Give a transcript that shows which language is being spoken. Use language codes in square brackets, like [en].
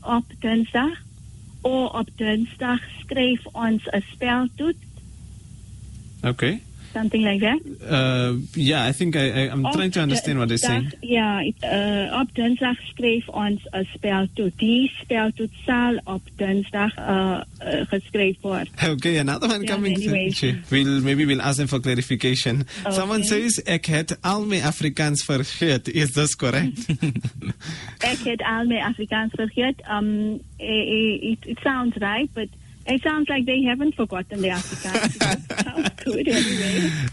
[af] Op dinsdag, or op dinsdag skryf ons 'n speltoets. [en] Okay. Something like that. I think I'm trying to understand what they're saying. [af] Yeah, op dinsdag skryf ons 'n speltoets. Die speltoets sal op dinsdag geskryf word. [en] Okay, another one coming. Yeah, we'll ask them for clarification. Okay. Someone says, [af] ek het al my Afrikaans vergeet. [en] Is this correct? [af] Ek het al my Afrikaans vergeet. [en] It sounds right, but it sounds like they haven't forgotten the Afrikaans.